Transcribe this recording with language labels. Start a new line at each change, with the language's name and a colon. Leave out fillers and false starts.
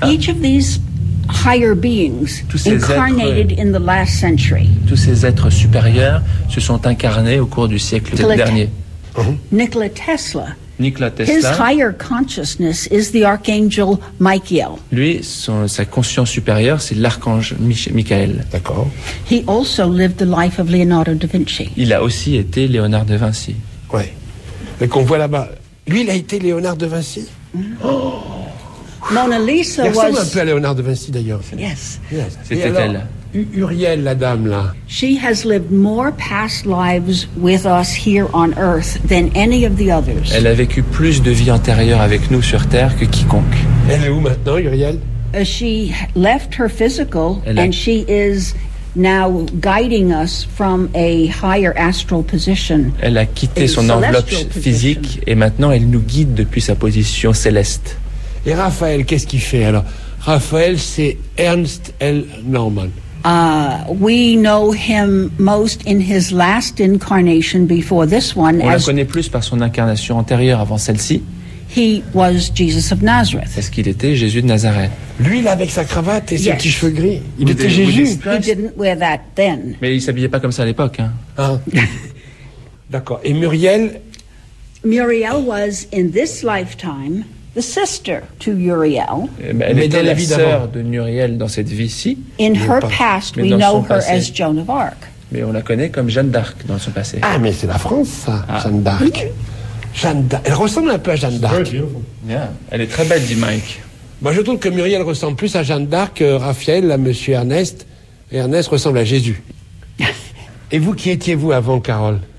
English: Each of these higher beings incarnated in the last century.
French: Tous ces êtres supérieurs se sont incarnés au cours du siècle dernier.
English: Nikola Tesla.
French: Nikola Tesla.
English: His higher consciousness is the archangel Michael.
French: Lui, sa conscience supérieure, c'est l'archange Michael. D'accord.
English: He also lived the life of Leonardo da Vinci.
French: Il a aussi été Léonard de Vinci. Ouais. Mais qu'on voit là-bas. Lui, il a été Léonard de Vinci.
English: Mm-hmm. Oh. Mona Lisa was.
French: Il ressemble un peu à Léonard de Vinci d'ailleurs.
English: Yes.
French: C'était alors, elle. Uriel, la dame là.
English: She has lived more past lives with us here on Earth than any of the others.
French: Elle a vécu plus de vies antérieures avec nous sur Terre que quiconque. Elle est où maintenant, Uriel?
English: She left her physical and she is now guiding us from a higher astral position.
French: Elle a quitté son enveloppe physique et maintenant elle nous guide depuis sa position céleste. Et Raphaël, qu'est-ce qu'il fait alors? Raphaël, c'est Ernst L. Norman.
English: We know him most in his last incarnation before this one.
French: On la connaît plus par son incarnation antérieure avant celle-ci.
English: He was Jesus of Nazareth.
French: Est-ce qu'il était Jésus de Nazareth? Lui, là, avec sa cravate et ses petits cheveux gris. Il était Jésus.
English: He didn't wear that then.
French: Mais il ne s'habillait pas comme ça à l'époque. Hein. Ah. D'accord. Et Muriel?
English: Muriel was, in this lifetime, the sister to Uriel.
French: Mais elle était la sœur de Muriel dans cette vie-ci.
English: In her past, we know her as Joan of Arc.
French: Mais on la connaît comme Jeanne d'Arc dans son passé. Ah, mais c'est la France, ça, Jeanne d'Arc. Jeanne d'Arc. Elle ressemble un peu à Jeanne d'Arc.
English: Very beautiful.
French: Yeah. Elle est très belle, dit Mike. Moi, je trouve que Muriel ressemble plus à Jeanne d'Arc que Raphaël, à Monsieur Ernest. Et Ernest ressemble à Jésus. Et vous, qui étiez-vous avant, Carole?